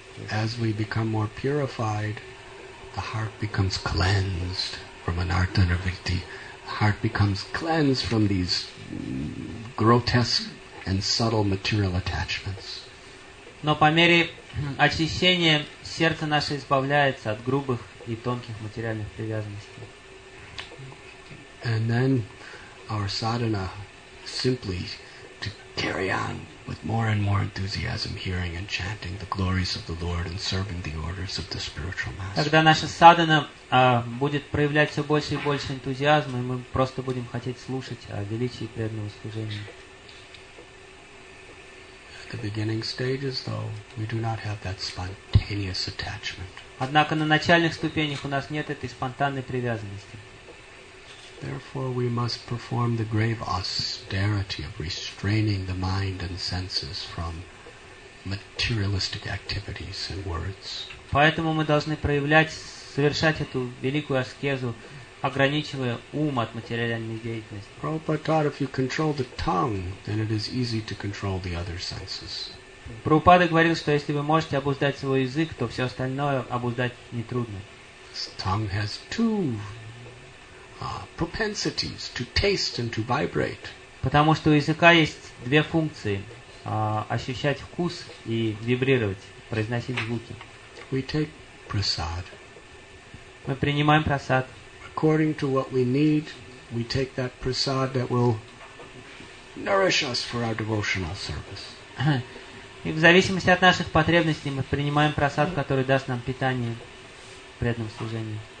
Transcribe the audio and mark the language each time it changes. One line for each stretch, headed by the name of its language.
English: As we become more purified, the heart becomes cleansed from anartha nirvritti. The heart becomes cleansed from these grotesque and subtle material attachments.
Russian: Но по мере очищения сердце наше избавляется от грубых и тонких материальных привязанностей.
English: And then our sadhana simply to carry on with more and more enthusiasm, hearing and chanting the glories of the Lord and serving the orders of the spiritual master.
Russian: Когда наша садхана будет проявлять все больше и больше энтузиазма, и мы просто будем хотеть слушать о величии преданного служения.
English: At the beginning stages, though, we do not have that spontaneous attachment.
Russian: Однако на начальных ступенях у нас нет этой спонтанной привязанности.
English: Therefore, we must perform the grave austerity of restraining the mind and senses from materialistic activities and words.
Russian: Поэтому мы должны проявлять, совершать эту великую аскезу, ограничивая ум от материальной деятельности.
English: Prabhupada taught, if you control the tongue, then it is easy to control the other senses.
Russian: Prabhupada говорил, что если вы можете обуздать свой язык, то все остальное обуздать нетрудно.
English: Tongue has two propensities to taste and to vibrate.
Russian: Потому что у языка есть две функции: ощущать вкус и вибрировать, произносить звуки.
English: We take prasad.
Russian: Мы принимаем прасад.
English: According to what we need, we take that prasad that will nourish us for our devotional service.
Russian: И в зависимости от наших потребностей мы принимаем прасад, который даст нам питание в преданном служении.